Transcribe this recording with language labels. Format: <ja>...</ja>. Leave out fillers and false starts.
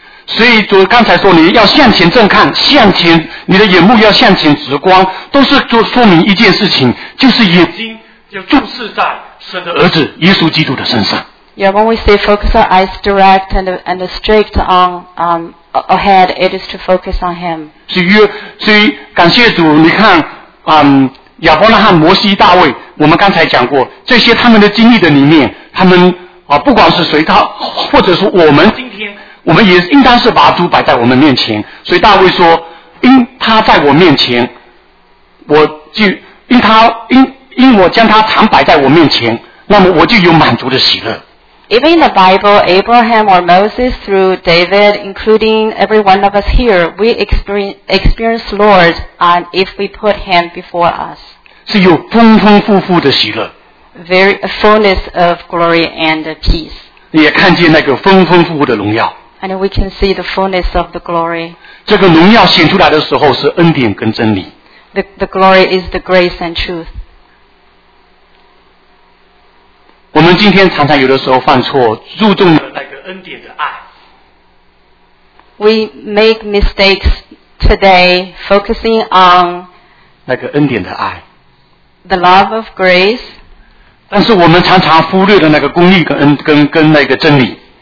<zh>所以主刚才说你要向前正看，向前，你的眼目要向前直光，都是就说明一件事情，就是眼睛要注视在神的儿子耶稣基督的身上。</zh> <en>Yeah, when we say focus our eyes direct and strict on ahead, it is to focus on Him.</en> <zh>所以感谢主，你看，亚伯拉罕、摩西、大卫，我们刚才讲过，这些他们的经历的里面，他们不管是谁，他或者说我们今天，我们也应当是把主摆在我们面前。所以大卫说，因他在我面前，我就因他因我将他常摆在我面前，那么我就有满足的喜乐。</zh> <en>Even in the Bible, Abraham or Moses through David, including every one of us here, we experience Lord if we put Him before us.</en> <zh>是有丰丰富富的喜乐。</zh> <en>Very fullness of glory and peace.</en> <zh>也看见那个丰丰富富的荣耀。</zh> <en>And we can see the fullness of the glory.</en> <zh>这个荣耀显出来的时候是恩典跟真理。</zh> <en>The glory is the grace and truth.</en> <zh>我们今天常常有的时候犯错，注重了那个恩典的爱。</zh> <en>We make mistakes today, focusing on</en> <zh>那个恩典的爱。</zh> <en>The love of grace.</en> <zh>但是我们常常忽略了那个公义跟那个真理。</zh>